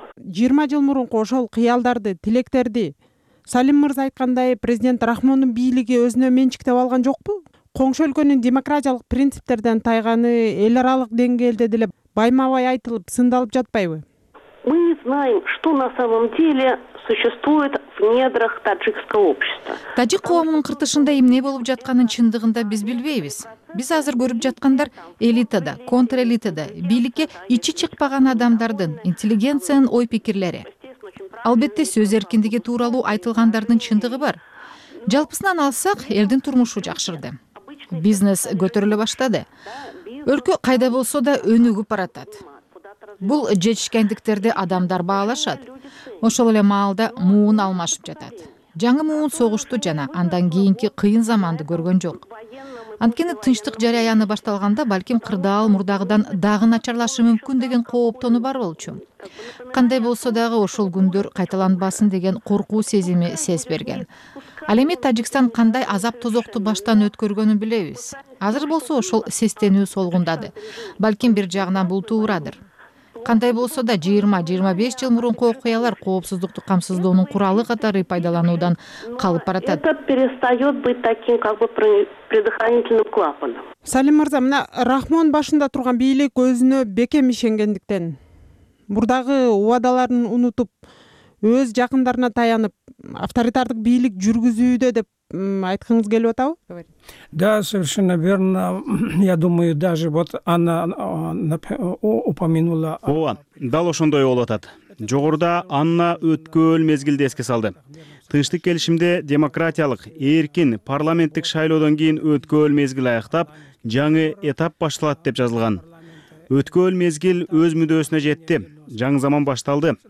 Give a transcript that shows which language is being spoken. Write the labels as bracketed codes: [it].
[ky] Жыйырма жыл мурунку ошол кыялдарды, тилектерди Салим мырза айткандай, президент Рахмондун бийлиги өзүнө менчиктеп алган жокпу? Коңшу өлкөнүн демократиялык принциптерден тайганы эл аралык деңгээлде деле байма-бай айтылып, сындалып жатпайбы? [ru] Мы не знаем, что на самом деле существует в недрах таджикского общества. [ky] Тажик коомунун кыртышында эмне болуп жатканын чындыгында биз билбейбиз. Биз азыр көрүп жаткандар элитада, контрэлитада, бийликке ичи чыкпаган адамдардын, интеллигенциянын ой-пикирлери. Албетте сөз эркиндиги тууралуу айтылгандардын чындыгы бар. Жалпысынан алсак, элдин турмушу жакшырды. Бизнес көтөрүлө баштады. Өлкө кайда болсо да өнүгүп баратат. Бул жетишкендиктерди адамдар баалашат. Ошол эле маалда муун алмашып жатат. Жаңы муун согушту жана андан кийинки кыйын заманды көргөн жок. Анткени тынчтык жараяны башталганда балким кырдаал мурдагыдан дагы начарлашы мүмкүн деген кооптонуу бар болчу. Кандай болсо дагы ошол күндөр кайталанбасын деген коркуу сезими сез берген. Ал эми Тажикстан кандай азап тозокту баштан өткөргөнүн билебиз. Азыр болсо ошол сестенүү солгундады. Балким бир жагынан бул туурадыр. Кандай болсо да 20-25 жыл мурунку окуялар коопсуздукту камсыздоонун куралы катары пайдалануудан калып баратат. [ru] Это перестает быть таким предохранительным клапаном. [ky] Салим мырза, мына Рахмон башында турган бийлик өзүнө бекем ишенгендиктен, мурдагы убадаларын унутуп, өз жакындарына таянып, авторитардык бийлик жүргүзүүдө деп айткыңыз келип атабы? [ru] Да, совершенно верно. Я думаю, даже вот она упомянула. [ky] Ооба, дал ошондой болуп атат. Жогоруда Анна өткөн мезгилди эске салды. Тынчтык келишимде демократиялык, эркин парламенттик шайлоодон кийин өткөн мезгил аяктап, жаңы этап башталат деп жазылган. Өткөн мезгил өз мүдөөсүнө жетти. Жаңы заман башталды.